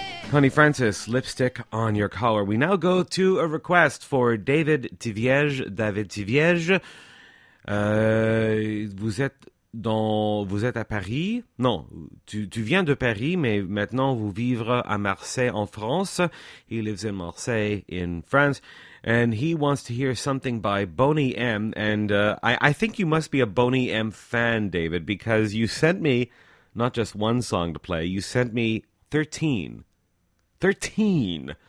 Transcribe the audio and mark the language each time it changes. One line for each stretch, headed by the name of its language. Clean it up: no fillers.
English: Connie Francis, Lipstick on Your Collar. We now go to a request for David Tivierge.
French: David Tivierge, vous êtes à Paris? Non, tu viens de Paris, mais maintenant vous vivre à Marseille en France.
English: He lives in Marseille in France, and he wants to hear something by Boney M. And I think you must be a Boney M. fan, David, because you sent me not just one song to play. You sent me 13. 13.